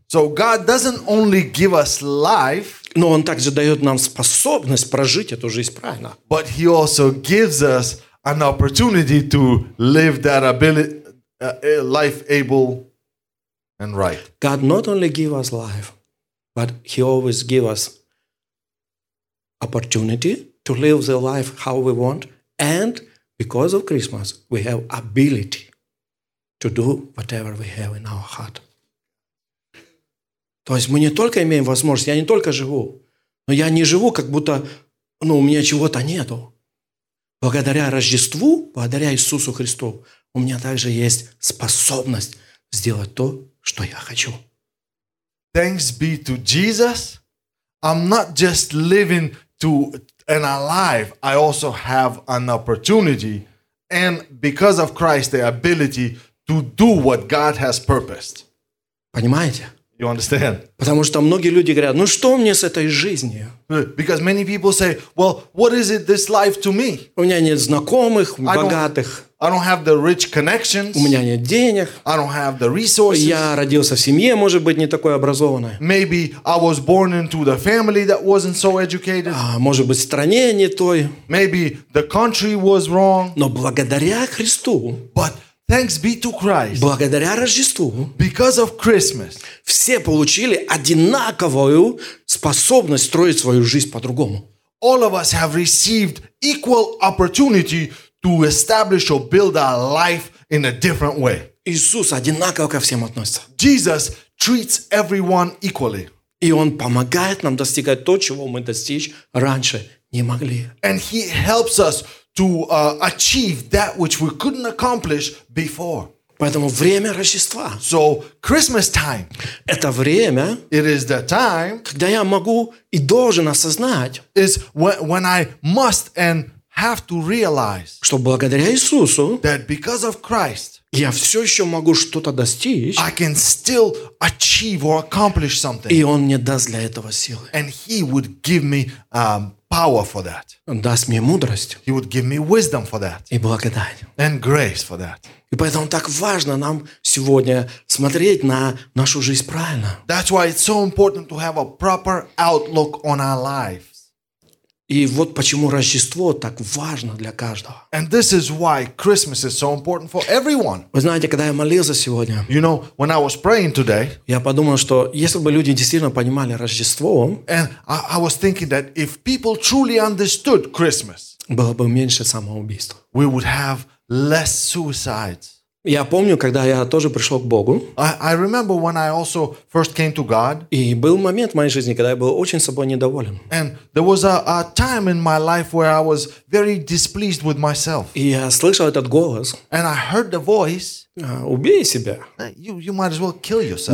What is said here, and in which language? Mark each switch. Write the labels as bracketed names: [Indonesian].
[English] So God doesn't only give us life. [Russian] Но Он также дает нам способность прожить эту жизнь правильно. [English] But He also gives us an opportunity to live that ability. Life able and right. God not only give us life, but He always give us opportunity to live the life how we want. And because of Christmas, we have ability to do whatever we have in our heart. [Russian] То есть мы не только имеем возможность, я не только живу, но я не живу, как будто ну, у меня чего-то нету. Благодаря Рождеству, благодаря Иисусу Христу, у меня также есть способность сделать то, что я хочу. [English] Thanks be to Jesus. I'm not just living to and alive. I also have an opportunity. And because of Christ, the ability to do what God has purposed. [Russian] Понимаете? [English] You understand? [Russian] Потому что многие люди говорят, ну что мне с этой жизнью? [English] Because many people say, well, what is it this life to me? [Russian] У меня нет знакомых, богатых. [English] I don't have the rich connections. [Russian] У меня нет денег. [English] I don't have the resources. [Russian] Я родился в семье, может быть, не такой образованной. [English] Maybe I was born into the family that wasn't so educated. [Russian] Может быть, в стране не той. [English] Maybe the country was wrong. [Russian] Но благодаря Христу. [English] But thanks be to Christ. [Russian] Благодаря Рождеству. [English] Because of Christmas. [Russian] Все получили одинаковую способность строить свою жизнь по-другому. [English] All of us have received equal opportunity to establish or build our life in a different way. [Russian] Иисус одинаково ко всем относится. [English] Jesus treats everyone equally. [Russian] И Он помогает нам достигать то, чего мы достичь раньше не могли. [English] And He helps us to achieve that which we couldn't accomplish before. [Russian] Поэтому время Рождества. [English] So Christmas time. [Russian] Это время. [English] It is the time. [Russian] Когда я могу и должен осознать. [English] Is when I must and have to realize, [Russian] что благодаря Иисусу, [English] that because of Christ, [Russian] я все еще могу что-то достичь, [English] I can still achieve or accomplish something, [Russian] и Он мне даст для этого силы, [English] and He would give me power for that, [Russian] Он даст мне мудрость, [English] He would give me wisdom for that, [Russian] и благодать, [English] and grace for that. [Russian] И поэтому так важно нам сегодня смотреть на нашу жизнь правильно. [English] That's why it's so important to have a proper outlook on our life. [Russian] И вот почему Рождество так важно для каждого. [English] And this is why Christmas is so important for everyone. [Russian] Вы знаете, когда я молился сегодня, [English] you know, when I was praying today, [Russian] я подумал, что если бы люди действительно понимали Рождество, [English] and I was thinking that if people truly understood Christmas, [Russian] было бы меньше самоубийств. [English] We would have less suicides. [Russian] Я помню, когда я тоже пришел к Богу. [English] I remember when I also first came to God. [Russian] И был момент в моей жизни, когда я был очень собой недоволен. [English] And there was a time in my life where I was very displeased with myself. [Russian] И я слышал этот голос. [English] And I heard the voice. [Russian] Убей себя. [English] You might as well kill yourself.